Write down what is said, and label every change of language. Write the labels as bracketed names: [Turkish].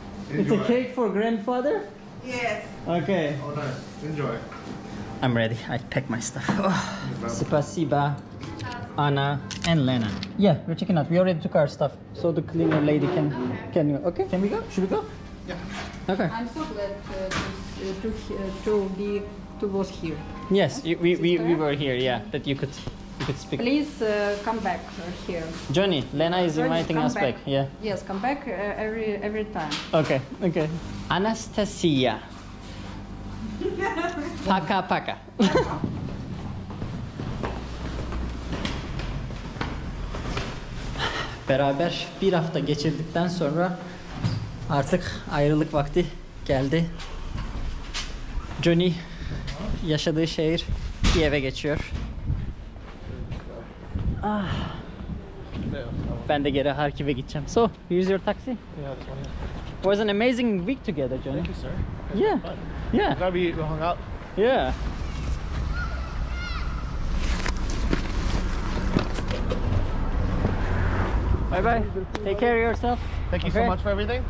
[English] It's a cake for grandfather? Yes. Okay. Oh, nice. Enjoy. I'm ready. I pack my stuff. Спасибо, Anna and Lena. Yeah, we're checking out. We already took our stuff. So the cleaner lady can... Okay. Can, okay, can we go? Should we go? Yeah. Okay. I'm so glad to was here. Yes, we were here, yeah. That you could... Speak. Please come back here. Johnny, Lena is inviting us back. Yeah. Yes, come back every time. Okay. Anastasia. [Russian] Paka paka. [Turkish] Beraber bir hafta geçirdikten sonra artık ayrılık vakti geldi. Johnny yaşadığı şehir Kiev'e geçiyor. Ben de geri Harkiv'e gideceğim. [English] So, use your taxi. Yeah, it was an amazing week together, Johnny. Thank you, sir. Yeah. Glad we hung out. Yeah. Bye-bye. Take care of yourself. Thank you so much for everything.